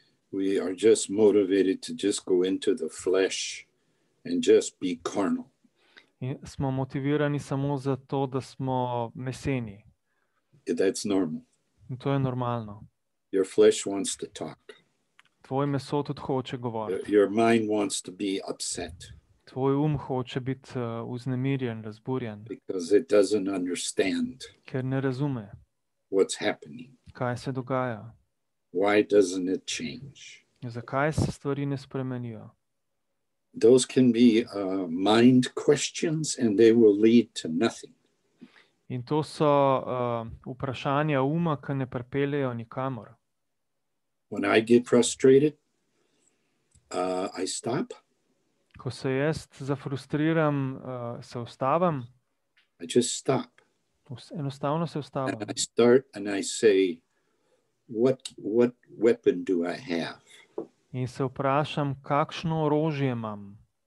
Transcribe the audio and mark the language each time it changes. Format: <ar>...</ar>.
<en>We are just motivated to just go into the flesh and just be carnal.</en> <sl>In smo motivirani samo za to, da smo meseni.</sl> <en>That's normal.</en> <sl>In to je normalno.</sl> <en>Your flesh wants to talk.</en> <sl>Tvoj meso tudi hoče govoriti.</sl> <en>Your mind wants to be upset.</en> <sl>Tvoj um hoče biti vznemirjen, razburjen.</sl> <en>Because it doesn't understand.</en> <sl>Ker ne razume.</sl> <en>What's happening?</en> <sl>Kaj se dogaja?</sl> <en>Why doesn't it change?</en> <sl>Zakaj se stvari ne spremenijo?</sl> <en>Those can be mind questions and they will lead to nothing.</en> <sl>In to so vprašanja uma, ki ne pripeljejo nikamor.</sl> <en>When I get frustrated, I stop.</en> <sl>Ko se jaz zafrustriram, se ustavim.</sl> <en>I just stop.</en> <sl>Enostavno se ustavim.</sl> <en>And I start and I say, what weapon do I have?</en> <sl>In se vprašam, kakšno orožje imam.</sl>